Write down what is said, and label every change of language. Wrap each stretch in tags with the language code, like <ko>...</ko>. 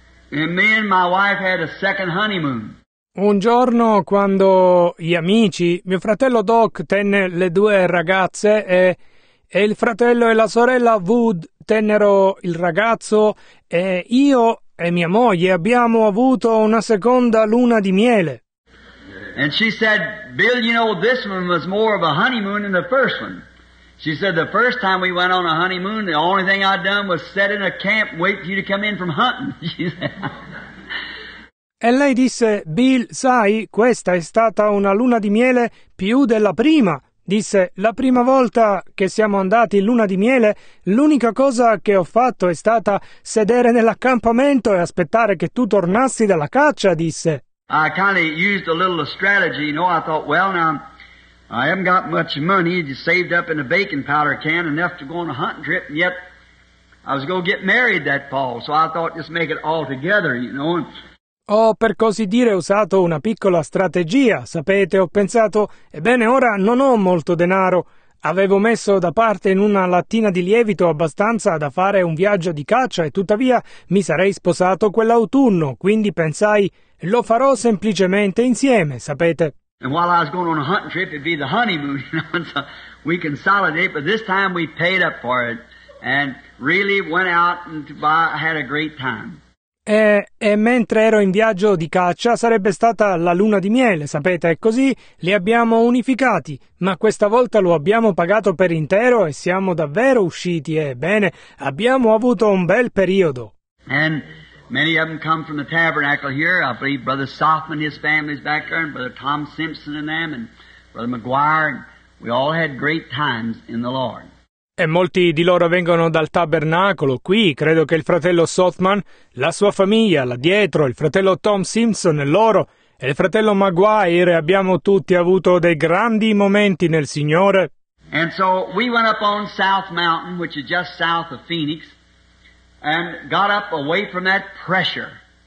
<en>And me and my wife had a second honeymoon.</en> <it>Un giorno quando gli amici, mio fratello Doc tenne le due ragazze e il fratello e la sorella Wood tennero il ragazzo e io e mia moglie abbiamo avuto una seconda luna di miele.</it> <en>And she said, Bill, you know, this one was more of a honeymoon than the first one. She said, the first time we went on a honeymoon, the only thing I'd done was set in a camp and wait for you to come in from hunting. She said.</en> <it>E lei disse, Bill, sai, questa è stata una luna di miele più della prima. Disse, la prima volta che siamo andati in luna di miele, l'unica cosa che ho fatto è stata sedere nell'accampamento e aspettare che tu tornassi dalla caccia, disse.</it> <en>I kind of used a little strategy, you know, I thought, well, now, I haven't got much money, just saved up in a baking powder can enough to go on a hunting trip, and yet I was going to get married that fall, so I thought just make it all together, you know.</en> <it>Ho, per così dire, usato una piccola strategia, sapete, ho pensato, ebbene ora non ho molto denaro, avevo messo da parte in una lattina di lievito abbastanza da fare un viaggio di caccia e tuttavia mi sarei sposato quell'autunno, quindi pensai, lo farò semplicemente insieme, sapete.</it> <en>And while I was going on a hunting trip, it'd be the honeymoon, you know, and so we consolidate, but this time we paid up for it and really went out and had a great time.</en> <it>E mentre ero in viaggio di caccia, sarebbe stata la luna di miele, sapete, e così li abbiamo unificati, ma questa volta lo abbiamo pagato per intero e siamo davvero usciti, ebbene, abbiamo avuto un bel periodo.</it> <en>And many of them come from the tabernacle here. I believe Brother Sofman, his family's back there, and Brother Tom Simpson and them, and Brother McGuire. And we all had great times in the Lord.</en> <it>E molti di loro vengono dal tabernacolo qui. Credo che il fratello Sofman, la sua famiglia là dietro, il fratello Tom Simpson e loro, e il fratello McGuire, abbiamo tutti avuto dei grandi momenti nel Signore.</it> <en>And so we went up on South Mountain, which is just south of Phoenix, and got up away from that pressure.</en>